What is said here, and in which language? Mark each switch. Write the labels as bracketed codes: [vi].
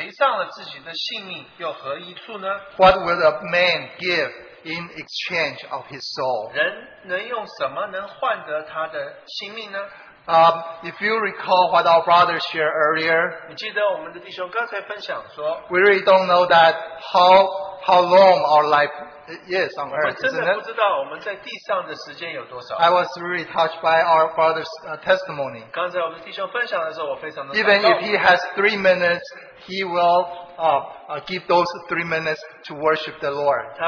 [zh] 人若赚得全世界,但却赔上了自己的性命,又何益处呢? [en] What will a man give in exchange of his soul? [zh] 人能用什么能换得他的性命呢? [en] If you recall what our brother shared earlier, [zh] 你记得我们的弟兄刚才分享说, [en] we really don't know that how long our life is on earth, isn't it? I was really touched by our brother's testimony. Even if he has 3 minutes, he will give those 3 minutes to worship the Lord.